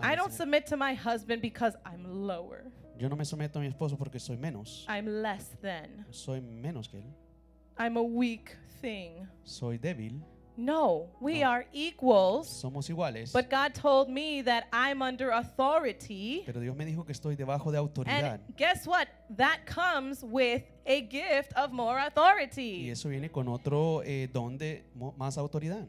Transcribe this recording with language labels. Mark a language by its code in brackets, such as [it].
[en] I don't submit to my husband because I'm lower. [es] Yo no me someto a mi esposo porque soy menos. [en] I'm less than. [es] Soy menos que él. [en] I'm a weak thing. [es] Soy débil. [en] No, we are equals. [es] Somos iguales. [en] But God told me that I'm under authority. [es] Pero Dios me dijo que estoy debajo de autoridad. [en] And guess what? That comes with a gift of more authority. [es] Y eso viene con otro don de más autoridad.